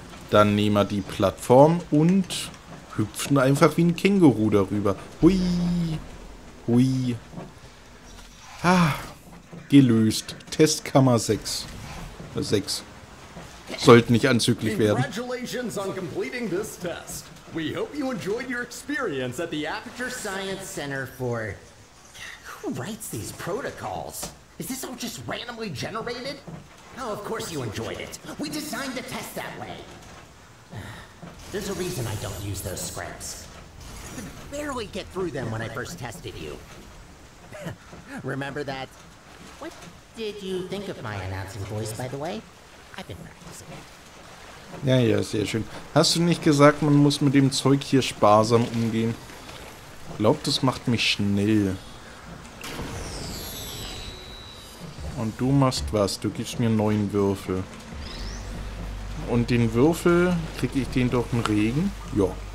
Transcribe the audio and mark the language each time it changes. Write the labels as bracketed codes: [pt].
[de] Dann nehmen wir die Plattform und hüpfen einfach wie ein Känguru darüber. Hui. Hui. Ah. Gelöst. Testkammer 6. 6. Sollte nicht anzüglich werden. [en] Congratulations on completing this test. We hope you enjoyed your experience at the Aperture Science Center for... Who writes these protocols? Is this all just randomly generated? Oh, of course you enjoyed it. We designed the test that way. There's a reason I don't use those scripts. I could barely get through them when I first tested you. Remember that? What did you think of my announcing voice, by the way? I've been practicing it. [de] Ja, ja, sehr schön. Hast du nicht gesagt, man muss mit dem Zeug hier sparsam umgehen? Glaub, das macht mich schnell. Und du machst was? Du gibst mir 9 Würfel. Und den Würfel, kriege ich den durch den Regen? Ja.